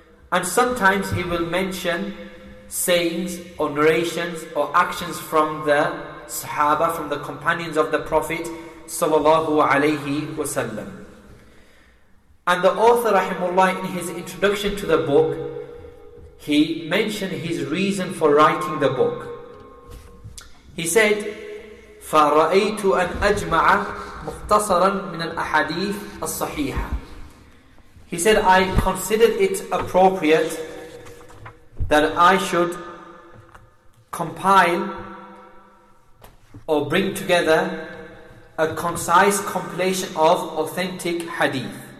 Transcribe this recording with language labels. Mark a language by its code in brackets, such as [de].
[en] And sometimes he will mention sayings or narrations or actions from the Sahaba, from the companions of the Prophet sallallahu alayhi wasallam. And the author rahimullah, in his introduction to the book, he mentioned his reason for writing the book. He said, [ar] فَرَأَيْتُ أَنْ أَجْمَعَ مُقْتَصَرًا مِنَ الْأَحَادِيثِ الصَّحِيحَةِ. [en] He said, I considered it appropriate that I should compile or bring together a concise compilation of authentic hadith.